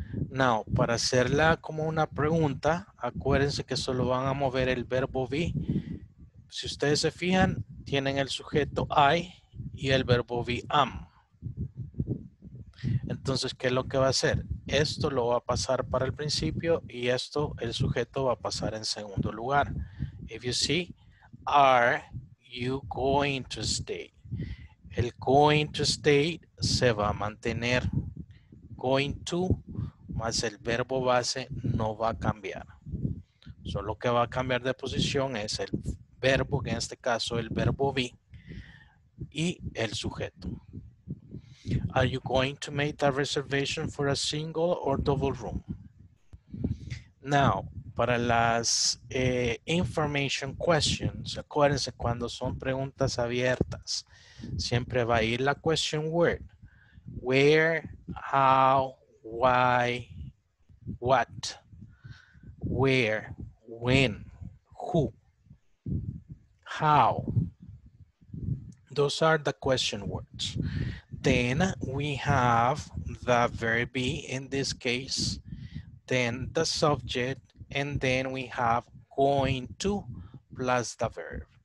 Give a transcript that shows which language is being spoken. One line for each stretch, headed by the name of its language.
Spanish: Now, para hacerla como una pregunta, acuérdense que solo van a mover el verbo be. Si ustedes se fijan, tienen el sujeto I y el verbo be am. Entonces, ¿qué es lo que va a hacer? Esto lo va a pasar para el principio y esto, el sujeto va a pasar en segundo lugar.
English: If you see, are you going to stay?
Spanish: El going to stay se va a mantener. Going to más el verbo base no va a cambiar. Solo que va a cambiar de posición es el verbo, que en este caso el verbo be, y el sujeto.
English: Are you going to make a reservation for a single or double room?
Spanish: Now, para las information questions, acuérdense, cuando son preguntas abiertas, siempre va a ir la question word.
English: Where, how, why, what, where, when, who, how. Those are the question words. Then we have the verb be in this case, then the subject, and then we have going to plus the verb.